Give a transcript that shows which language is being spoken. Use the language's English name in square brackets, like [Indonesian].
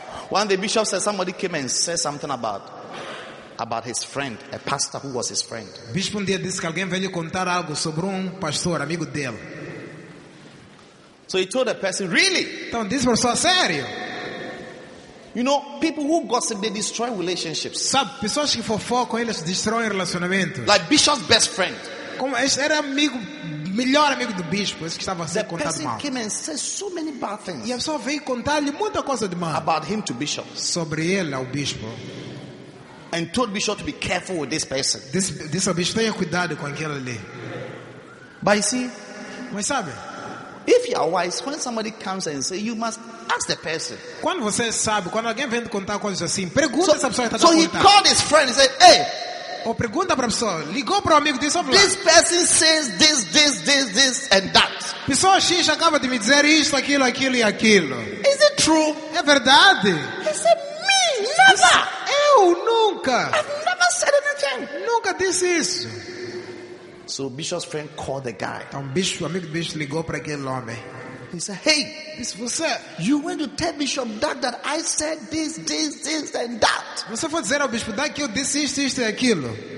[English] One day, Bishop said somebody came and said something about his friend, a pastor who was his friend. [Portuguese] Bishop um dia disse que alguém veio contar algo sobre pastor, amigo dele. [English] So he told the person, really? [Portuguese] Então, disse para o pessoal, sério? [English] You know, people who gossip, they destroy relationships. [Portuguese] Sabe, pessoas que fofocam, eles destroem relacionamentos. [English] Like Bishop's best friend. [Portuguese] Como esse era amigo, melhor amigo do bispo, esse que estava a ser contado mal. [English] Came and said so many bad things. [Portuguese] E a pessoa veio contar-lhe muita coisa de mal. [English] About him to bishop. [Portuguese] Sobre ele ao bispo. [English] And told bishop to be careful with this person. [Portuguese] Disse ao bispo, tenha cuidado com aquele ali. [English] But you see, [Portuguese] mas sabe? [English] If you are wise, when somebody comes and says, you must ask the person. [Portuguese] Quando você sabe, quando alguém vem te contar coisas assim, pergunta essa pessoa que está a [English] contar. So he called his friend and said, hey. [Portuguese] Ou pergunta para a pessoa, ligou para o amigo disso, [English] this person says this and that. [Portuguese] Pessoa X acaba de me dizer isto, aquilo e aquilo. [English] Is it true? [Portuguese] É verdade. [English] Is it me? Never. [Portuguese] Eu nunca. [English] I've never said anything. [Portuguese] Nunca disse isso. [English] So Bishop's friend called the guy. [Portuguese] Então bicho, o amigo bicho ligou para aquele homem. [English] He said, hey, [Portuguese] this você. [English] You went to tell Bishop Doug that I said this and that. [Portuguese] Você foi dizer ao Bishop Doug que eu disse isto e aquilo.